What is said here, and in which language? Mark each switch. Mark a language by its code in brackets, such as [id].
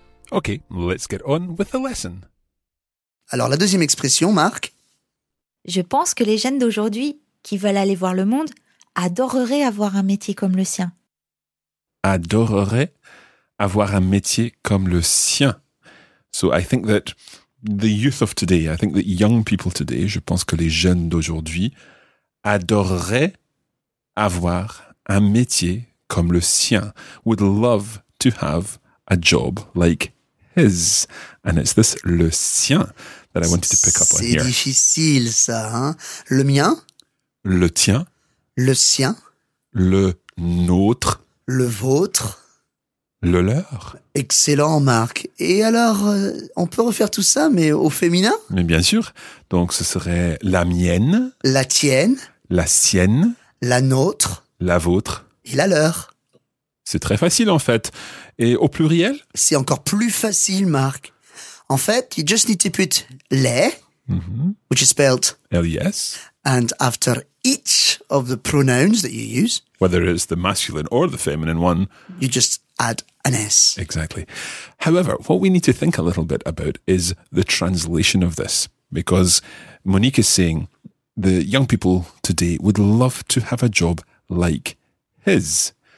[en] Ok, let's get on with the lesson. [fr] Alors, la deuxième expression, Marc. Je pense que les jeunes d'aujourd'hui, qui veulent aller voir le monde, adoreraient avoir un métier comme le sien. Adoreraient avoir un métier comme le sien. [en] So, I think that the youth of today, I think that young people today, [fr] je pense que les jeunes d'aujourd'hui, adoreraient avoir un métier comme le sien. [en] Would love to have a job like his. And it's this le sien that I wanted to pick up [fr] c'est [en] on here. [fr] C'est difficile, ça. Hein? Le mien. Le tien. Le sien. Le nôtre. Le vôtre. Le leur. Excellent, Marc. Et alors, on peut refaire tout ça, mais au féminin? Mais bien sûr. Donc, ce serait la mienne. La tienne. La sienne. La nôtre. La vôtre. Et la leur. C'est très facile, en fait. Et au pluriel? C'est encore plus facile, Marc. En fait, [en] you just need to put les, which is spelled L-E-S, and after each of the pronouns that you use, whether it's the masculine or the feminine one, you just add an S. Exactly. However, what we need to think a little bit about is the translation of this, because Monique is saying the young people today would love to have a job like his.